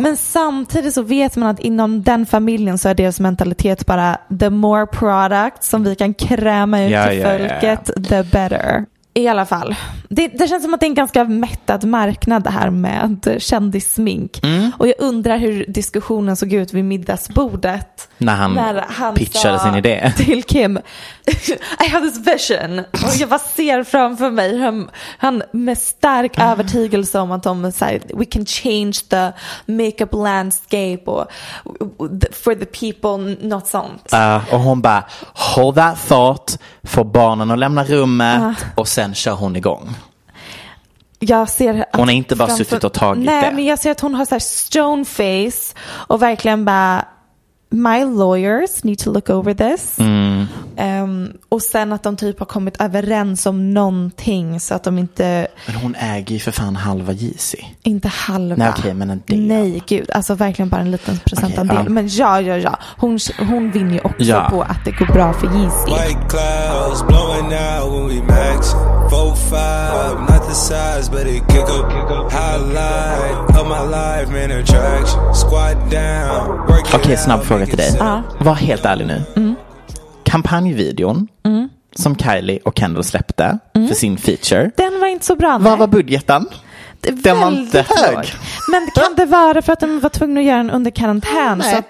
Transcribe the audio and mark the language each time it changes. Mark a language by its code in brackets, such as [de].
[sv] Men samtidigt så vet man att inom den familjen så är deras mentalitet bara [en] the more product [sv] som vi kan kräma ut till folket, [en] the better. [sv] I alla fall. Det känns som att det är en ganska mättad marknad det här med kändissmink. Mm. Och jag undrar hur diskussionen såg ut vid middagsbordet. När han pitchade sin idé. Till Kim, [en] I have this vision. [sv] Och jag bara ser framför mig hur han med stark övertygelse om att de säger [en] we can change the makeup landscape or for the people, not [sv] sånt. Och hon bara, [en] hold that thought, [sv] få barnen att lämna rummet och sen kör hon igång. Jag ser att hon är inte bara suttit och tagit nej, det. Nej, men jag ser att hon har så här [en] stone face [sv] och verkligen bara [en] my lawyers need to look over this. [sv] Mm. Och sen att de typ har kommit överens om någonting så att de inte... Men hon äger ju för fan halva Yeezy. Inte halva. Nej, okay, men en del. Nej, gud. Alltså verkligen bara en liten procentandel. Okay, men ja. Hon vinner ju också på att det går bra för Yeezy. [en] White clouds blowing out when we max 4-5, not the size but it kick up. Highlight of my life, man, attraction. Squat down. [sv] Okej, snabb fråga till dig. Var helt ärlig nu. Mm. Kampanjvideon som Kylie och Kendall släppte för sin feature. Den var inte så bra. Vad var budgeten? Den var inte hög. Men kan det vara för att de var tvungna att göra den under karantän?